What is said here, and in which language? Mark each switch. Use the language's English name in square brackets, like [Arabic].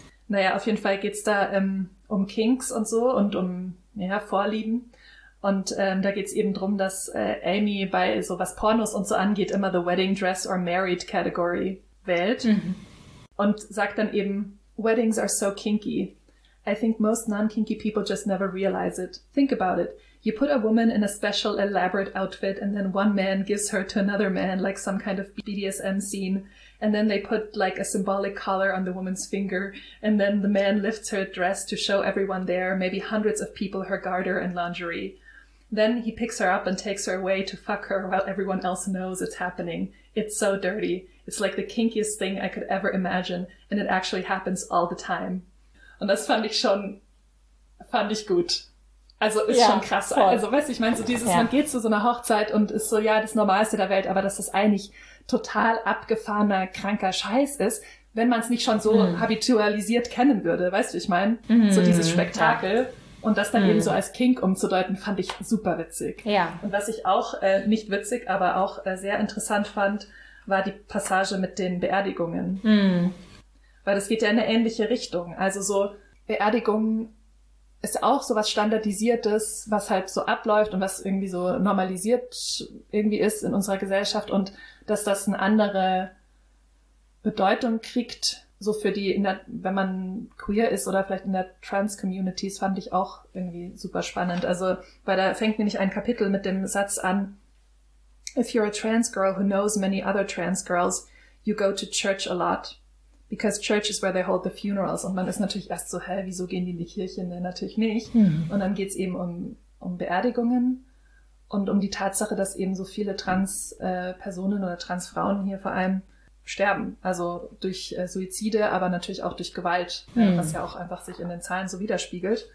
[German] Naja, auf jeden Fall geht's da um Kinks und so und um Vorlieben. Und da geht's eben drum, dass Amy bei so was Pornos und so angeht immer [English] the Wedding Dress or Married Category [German] wählt. Und sagt dann eben, [English] Weddings are so kinky. I think most non-kinky people just never realize it. Think about it. You put a woman in a special elaborate outfit and then one man gives her to another man like some kind of BDSM scene. And then they put like a symbolic collar on the woman's finger. And then the man lifts her dress to show everyone there, maybe hundreds of people, her garter and lingerie. Then he picks her up and takes her away to fuck her while everyone else knows it's happening. It's so dirty. It's like the kinkiest thing I could ever imagine. And it actually happens all the time. [German] Und das fand ich gut. Also ist schon krass. Voll. Also weißt du, ich meine, so dieses, man geht zu so einer Hochzeit und ist so, ja, das Normalste der Welt, aber dass das eigentlich total abgefahrener, kranker Scheiß ist, wenn man es nicht schon so habitualisiert kennen würde, weißt du, ich meine, so dieses Spektakel. Und das dann eben so als Kink umzudeuten, fand ich super witzig. Ja. Und was ich auch nicht witzig, aber auch sehr interessant fand, war die Passage mit den Beerdigungen. Weil das geht ja in eine ähnliche Richtung. Also so Beerdigung ist auch so was Standardisiertes, was halt so abläuft und was irgendwie so normalisiert irgendwie ist in unserer Gesellschaft und dass das eine andere Bedeutung kriegt, so für die, wenn man queer ist oder vielleicht in der Trans-Community, fand ich auch irgendwie super spannend. Also weil da fängt nämlich ein Kapitel mit dem Satz an, [English] if you're a trans girl who knows many other trans girls, you go to church a lot. Because church is where they hold the funerals. [German] Und man ist natürlich erst so, hä, wieso gehen die in die Kirche? Nee, natürlich nicht. Und dann geht's eben um Beerdigungen und um die Tatsache, dass eben so viele Trans-Personen oder Trans-Frauen hier vor allem sterben. Also durch Suizide, aber natürlich auch durch Gewalt, was ja auch einfach sich in den Zahlen so widerspiegelt.